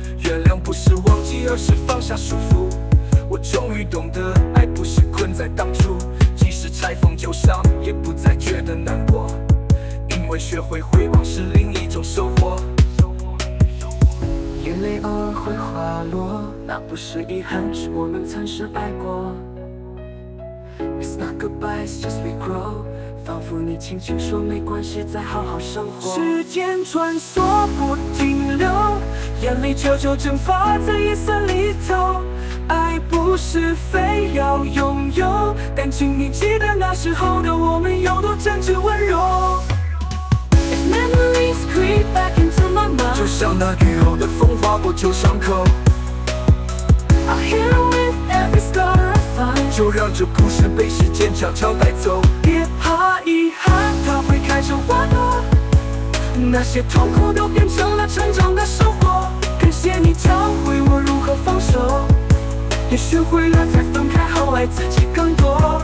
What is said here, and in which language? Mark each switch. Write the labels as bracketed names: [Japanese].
[Chinese] 原谅不是忘记，而是放下束缚。我终于懂得，爱不是困在当初，即使拆封旧伤，也不再觉得难过。因为学会回望是另一种收获。眼泪偶尔会滑落，那不是遗憾，是我们曾深爱过。 [English] It's not goodbye, it's just we grow。 [Chinese] 仿佛你轻轻说没关系，再好好生活。时间穿梭不停留，眼泪悄悄蒸发在夜色里头。爱不是非要拥有，但请你记得那时候的我们有多真挚温柔。 [English] If memories creep back into my mind， [Chinese] 就像那雨后的风划过旧伤口。 [English] I'll heal with every scar I find， [Chinese] 就让这故事被时间悄悄带走。遗憾，它会开成花朵，那些痛苦都变成了成长的收获。感谢你教会我如何放手，也学会了在分开后爱自己更多。